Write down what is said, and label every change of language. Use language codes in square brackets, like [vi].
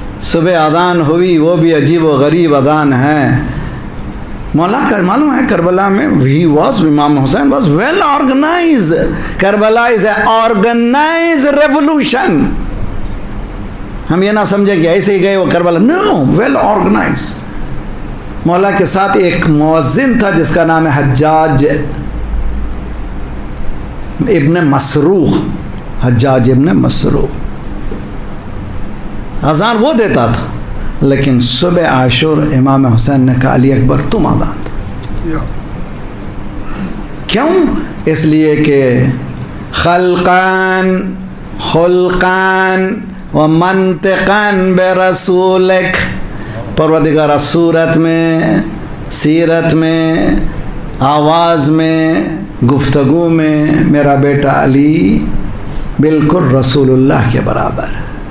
[ur] صبح اذان ہوئی وہ بھی عجیب و غریب اذان ہے. مولا کا معلوم ہے کربلا میں ہی [en] Was, Imam Hussain was well organise. Karbala is a organise revolution. [ur] ہم یہ نہ سمجھے کہ ایسے ہی گئے وہ کربلا, [en] No, well organise. [ur] مولا کے ساتھ ایک مؤذن تھا جس کا نام ہے حجاج, ابن مسروخ, حجاج ابن مسروخ. اذان وہ دیتا تھا لیکن صبح عاشور امام حسین نے کہا علی اکبر تم اذان دو. کیوں؟ اس لیے کہ [ar] خلقان خلقان و منطقان برسولک, [ur] پروردگار صورت میں, سیرت میں, آواز میں, گفتگو میں میرا بیٹا علی بالکل رسول اللہ کے برابر.